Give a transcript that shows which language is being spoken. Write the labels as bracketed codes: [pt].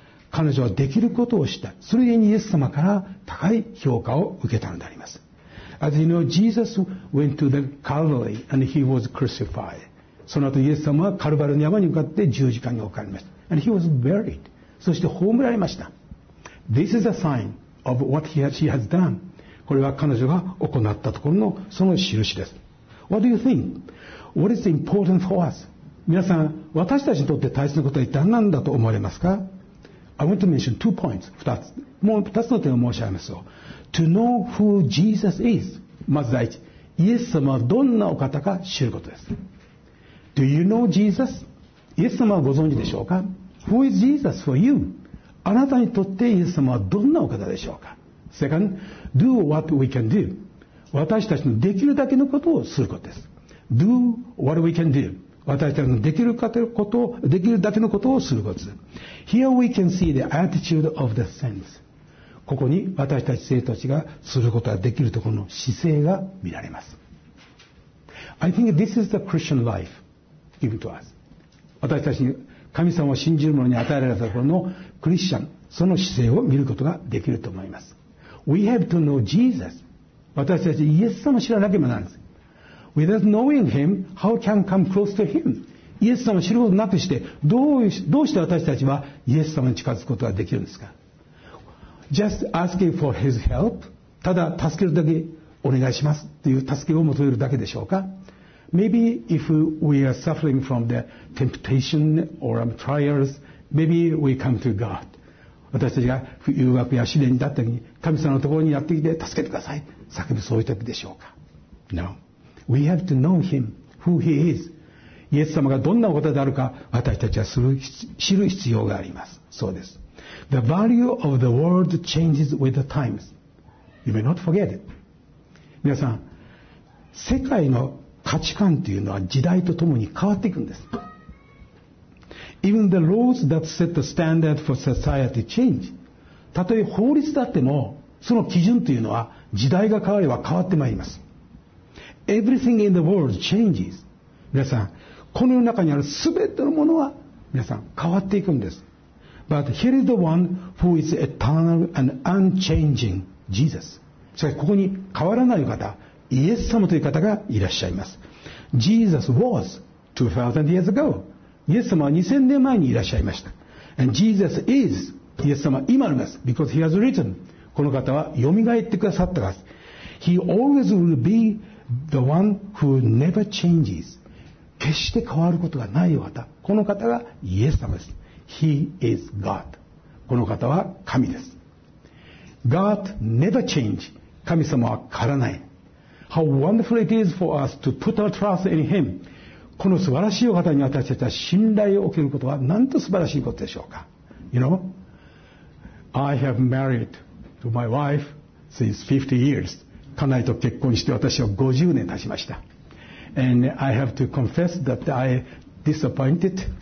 [ja] 彼女はできることをした。それにイエス様から高い評価を受けたのであります。 [en] As you know, Jesus went to the Calvary and he was crucified. [ja] その後イエス様はカルバルの山に向かって十字架に置かれました。 [en] And he was buried. [ja] そして葬られました。 [en] This is a sign of what she has done. [ja] これは彼女が行ったところのその印です。 [en] What do you think? What is important for us? [ja] 皆さん、私たちにとって大切なことは一体何だと思われますか? [en] I want to mention two points, [ja] 二つ。もう二つの点を申し上げましょう。 [en] To know who Jesus is. [ja] まず第一、イエス様はどんなお方か知ることです。 [en] Do you know Jesus? [ja] イエス様はご存知でしょうか? [en] Who is Jesus for you? [ja] あなたにとってイエス様はどんなお方でしょうか? [en] Second, do what we can do. [ja] 私たちのできるだけのことをすることです。 [en] Do what we can do. [ja] 私たちのできるだけのことをすること。 [en] Here we can see the attitude of the saints. [ja] ここに私たち生徒たちがすることができるところの姿勢が見られます。 [en] I think this is the Christian life given to us. [ja] 私たちに神様を信じる者に与えられたところのクリスチャン、その姿勢を見ることができると思います。 [en] We have to know Jesus. [ja] 私たちイエス様を知らなければならないんです。 [en] Without knowing him, how can come close to him? [ja] イエス様を知ることなくして、どうして私たちはイエス様に近づくことができるんですか? [en] Just asking for his help? [ja] ただ助けるだけお願いしますという助けを求めるだけでしょうか? [en] Maybe if we are suffering from the temptation or trials, maybe we come to God. [ja] 私たちが誘惑や試練だったり、神様のところにやってきて助けてください。叫ぶそういう時でしょうか? [en] No. We have to know him, who he is. [ja] イエス様がどんなお方であるか、私たちは知る必要があります。そうです。 [en] The value of the world changes with the times. You may not forget it. [ja] 皆さん、世界の価値観というのは時代とともに変わっていくんです。 [en] Even the laws that set the standard for society change. [ja] たとえ法律だっても、その基準というのは時代が変われば変わってまいります。 [en] Everything in the world changes. [ja] 皆さん、この世の中にあるすべてのものは皆さん変わっていくんです。 [en] But here is the one who is eternal and unchanging, Jesus. [ja] しかしここに変わらない方、イエス様という方がいらっしゃいます。 [en] Jesus was 2000 years ago. [ja] イエス様は2000年前にいらっしゃいました。 [en] And Jesus is [ja] イエス様は今あります。 [en] Because he has written. [ja] この方は蘇ってくださったからです。 [en] He always will beThe one who never changes. [ja] 決して変わることがない方。この方がイエス様です。 [en] He is God. [ja] この方は神です。 [en] God never change. [ja] 神様は変わらない。 [en] How wonderful it is for us to put our trust in him. [ja] この素晴らしいお方に私たちは信頼を置けることはなんと素晴らしいことでしょうか。 [en] You know, I have married to my wife since 50 years. [ja] 家内と結婚して私は50年経ちました。 [en] And I have to confess that I disappointed.